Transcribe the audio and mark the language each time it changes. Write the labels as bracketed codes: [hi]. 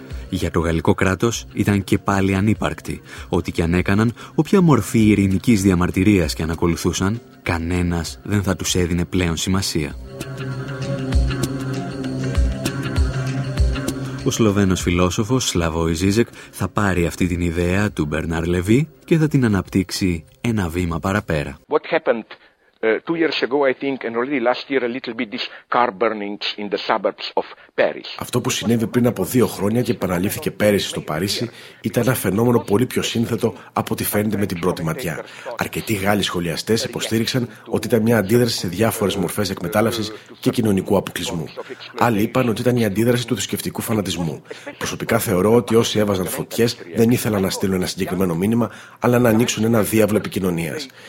[el] Για το γαλλικό κράτος ήταν και πάλι ανύπαρκτοι. Ό,τι και αν έκαναν, όποια μορφή ειρηνικής διαμαρτυρίας και αν ακολουθούσαν, κανένας δεν θα τους έδινε πλέον σημασία. Ο Σλοβαίνος φιλόσοφος Σλαβόι Ζίζεκ θα πάρει αυτή την ιδέα του Μπερνάρ Λεβί και θα την αναπτύξει ένα βήμα παραπέρα. [en] What happened? Two years ago, I think, and already last year, a little bit these car burnings in the suburbs of Paris. [el] Αυτό που συνέβη πριν από δύο χρόνια και επαναλήφθηκε πέρυσι στο Παρίσι ήταν ένα φαινόμενο πολύ πιο σύνθετο από ό,τι φαίνεται με την πρώτη ματιά. Αρκετοί Γάλλοι σχολιαστές υποστήριξαν ότι ήταν μια αντίδραση σε διάφορες μορφές εκμετάλλευσης και κοινωνικού αποκλεισμού. Άλλοι είπαν ότι ήταν η αντίδραση του θρησκευτικού φανατισμού. Προσωπικά θεωρώ ότι όσοι έβαζαν φωτιές δεν ήθελαν να στείλουν ένα συγκεκριμένο μήνυμα, αλλά να ανοίξουν ένα διάβλο επικοινωνίας.